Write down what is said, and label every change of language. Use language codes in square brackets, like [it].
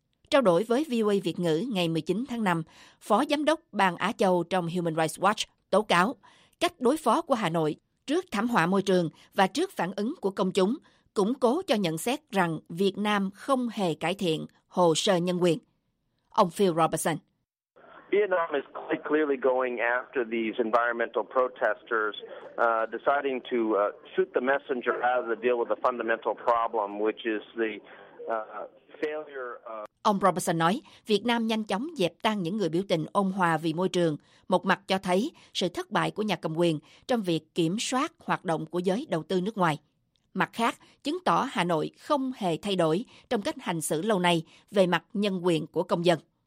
[vi] Trao đổi với VOA Việt ngữ ngày 19 tháng 5, Phó Giám đốc Ban Á Châu trong Human Rights Watch tố cáo cách đối phó của Hà Nội trước thảm họa môi trường và trước phản ứng của công chúng củng cố cho nhận xét rằng Việt Nam không hề cải thiện hồ sơ nhân quyền. Ông Phil Robertson. [en] Vietnam is quite clearly going after these environmental protesters, deciding to shoot the messenger out of the deal with the fundamental problem, which is the failure of. [vi] Ông Robertson nói, Việt Nam nhanh chóng dẹp tan những người biểu tình ôn hòa vì môi trường, một mặt cho thấy sự thất bại của nhà cầm quyền trong việc kiểm soát hoạt động của giới đầu tư nước ngoài. Mặt khác, chứng tỏ Hà Nội không hề thay đổi trong cách hành xử lâu nay về mặt nhân quyền của công dân.